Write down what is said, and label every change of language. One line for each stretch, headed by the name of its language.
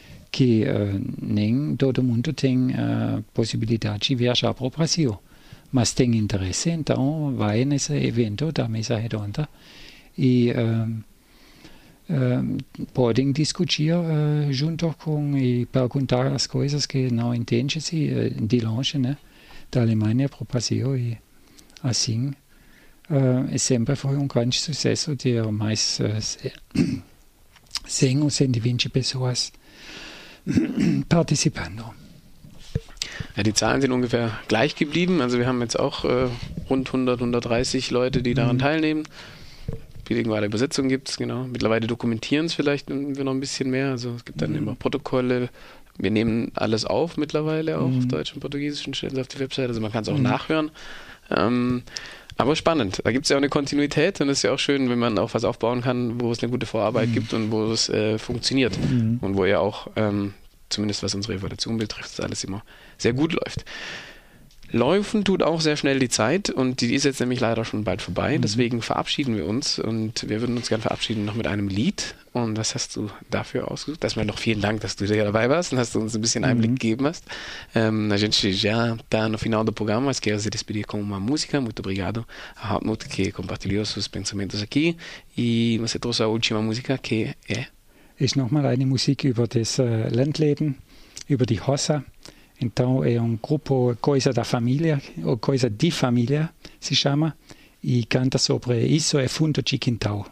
Portuguese: Que nem todo mundo tem a possibilidade de viajar para o Brasil, mas tem interesse, então vai nesse evento da Mesa Redonda e podem discutir junto com e perguntar as coisas que não entendem se de longe, né, da Alemanha para o Brasil. E assim sempre foi um grande sucesso ter mais 100 ou 120 pessoas participando.
German: Ja, die Zahlen sind ungefähr gleich geblieben. Also wir haben jetzt auch rund 100, 130 Leute, die daran teilnehmen. Bilinguale Übersetzung gibt es, genau. Mittlerweile dokumentieren es vielleicht wir noch ein bisschen mehr. Also es gibt dann immer Protokolle. Wir nehmen alles auf mittlerweile, auch auf Deutsch und Portugiesisch, und stellen es auf die Webseite. Also man kann es auch nachhören. Aber spannend. Da gibt es ja auch eine Kontinuität und es ist ja auch schön, wenn man auch was aufbauen kann, wo es eine gute Vorarbeit gibt und wo es funktioniert. Mhm. Und wo ja auch, zumindest was unsere Evaluation betrifft, das alles immer sehr gut läuft. Laufen tut auch sehr schnell die Zeit und die ist jetzt nämlich leider schon bald vorbei. Mhm. Deswegen verabschieden wir uns und wir würden uns gerne verabschieden noch mit einem Lied. Und was hast du dafür ausgesucht? Erstmal noch vielen Dank, dass du hier dabei warst und dass du uns ein bisschen Einblick gegeben hast.
Portuguese: A gente já está no final do programa, mas quero se despedir com uma música. Muito obrigado a Hartmut, que compartilhou seus pensamentos aqui. E você trouxe a última música, que é?
German: Ist nochmal eine Musik über das Landleben, über die Hossa.
Portuguese: Então é um grupo, Coisa da Família, ou Coisa de Família, se chama, e canta sobre Isso é Fundo de Quintal.